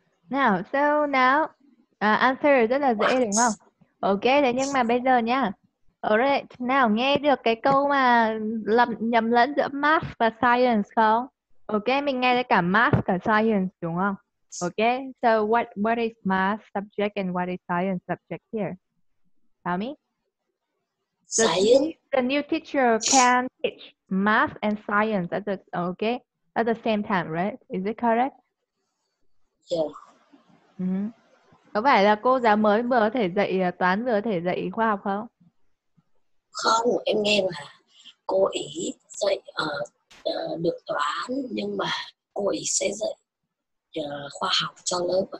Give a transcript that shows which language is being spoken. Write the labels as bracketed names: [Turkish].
[English] Now, so now, answer [Vietnamese] rất là dễ đúng không? Ok, thế nhưng mà bây giờ nha. Alright, nào nghe được cái câu mà nhầm lẫn giữa math và science không? Ok, mình nghe thấy cả math cả science đúng không? [English] Ok, so what is math subject and what is science subject here? Tell me. The new teacher can teach math and science at the okay at the same time, right? Is it correct? Yeah. Mm-hmm. [Vietnamese] Có phải là cô giáo mới vừa có thể dạy toán vừa có thể dạy khoa học không? Không, em nghe là cô ý dạy được toán nhưng mà cô ý sẽ dạy khoa học cho lớp.